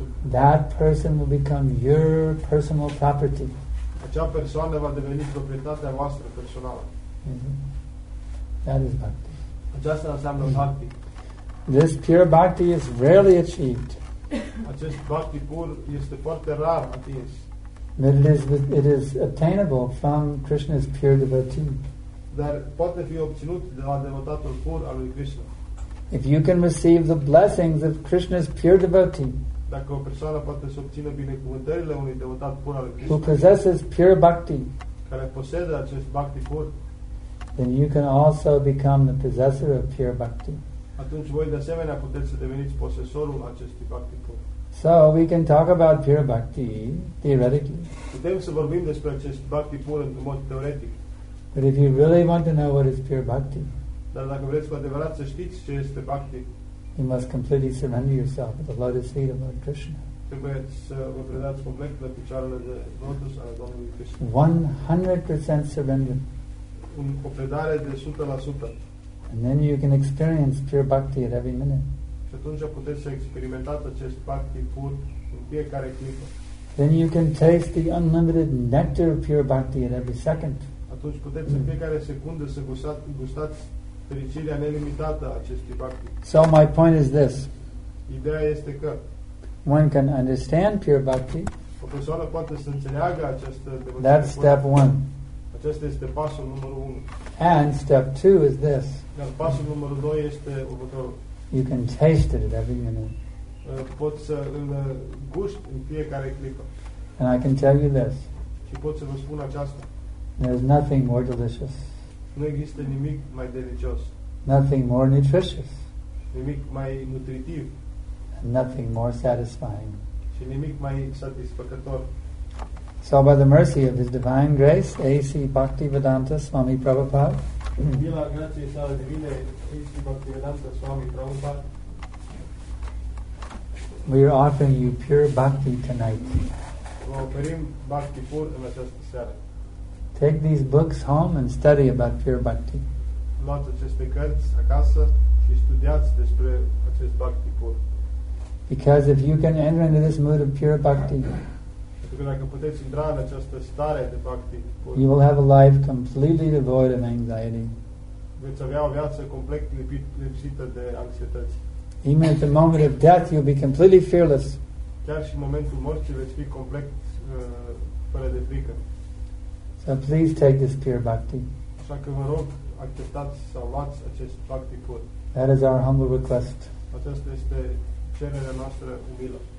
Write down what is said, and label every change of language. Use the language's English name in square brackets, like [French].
[English] That person will become your personal property. [Romanian] Acea persoană va deveni proprietatea voastră personală. [English] That is bhakti. [Romanian] Aceasta înseamnă bhakti. [English] This pure bhakti is rarely achieved. [Romanian] Acest bhakti pur este foarte rar atins. [English] But it is attainable from Krishna's pure devotee. [Romanian] Dar poate fi obținut de la devotatul pur al lui Krishna. [English] If you can receive the blessings of Krishna's pure devotee, [Romanian] dacă o persoană poate să obțină binecuvântările unui devotat pur al lui Krishna, [English] who possesses pure bhakti, [Romanian] care posedă acest bhakti pur, [English] then you can also become the possessor of pure bhakti. [Romanian] Atunci voi de asemenea puteți să deveniți posesorul acestui bhakti pur. [English] So we can talk about pure bhakti theoretically. [Romanian] Putem să vorbim despre acest bhakti pur în mod teoretic. [English] But if you really want to know what is pure bhakti, [Romanian] dar dacă vreți cu adevărat să știți ce este bhakti, [English] you must completely surrender yourself at the lotus feet of Lord Krishna. [Romanian] Trebuie să vă predați complet la picioarele de lotus al Domnului Krishna. [English] 100% surrender. [Romanian] Un predare de 100%. [English] And then you can experience pure bhakti at every minute. [Romanian] Și atunci puteți să experimentați acest bhakti pur în fiecare clipă. [English] Then you can taste the unlimited nectar of pure bhakti at every second. [Romanian] Atunci puteți în fiecare secundă să gustați fericirea nelimitată a acestui bhakti. [English] So my point is this. [Romanian] Ideea este că [English] one can understand pure bhakti. [Romanian] O persoană poate să înțeleagă această devoție. [English] That's step one. [Romanian] Acesta este pasul numărul 1. [English] And step 2 is this. [Romanian] Dar pasul numărul 2 este următorul. [English] You can taste it at every minute. [Romanian] Pot să îl gust în fiecare clipă. [English] And I can tell you this. [Romanian] Și pot să vă spun aceasta. [English] There's nothing more delicious. [Romanian] Nu există nimic mai delicios. [English] Nothing more nutritious. [Romanian] Nimic mai nutritiv. [English] And nothing more satisfying. [Romanian] Și nimic mai satisfăcător. [English] So by the mercy of His Divine Grace, A.C. Bhaktivedanta Swami Prabhupada, [Romanian] Bila grație sale divine, A.C. Bhaktivedanta Swami Prabhupada, [English] we are offering you pure bhakti tonight. [Romanian] Vă oferim bhakti pur în această seară. [English] Take these books home and study about pure bhakti. [Romanian] Luați aceste cărți acasă și studiați despre acest bhakti pur. [English] Because if you can enter into this mood of pure bhakti, [Romanian] dacă puteți intra în această stare de bhakti, [English] you will have a life completely devoid of anxiety. [Romanian] Veți avea o viață complet lipsită de anxietăți. [English] Even at the moment of death, you'll be completely fearless. [Romanian] Chiar și în momentul morții veți fi complet fără de frică. [English] So please take this pure bhakti. [Romanian] Așa că vă rog, acceptați sau luați acest bhakti pur. [English] That is our humble request. [Romanian] Aceasta este cererea noastră umilă.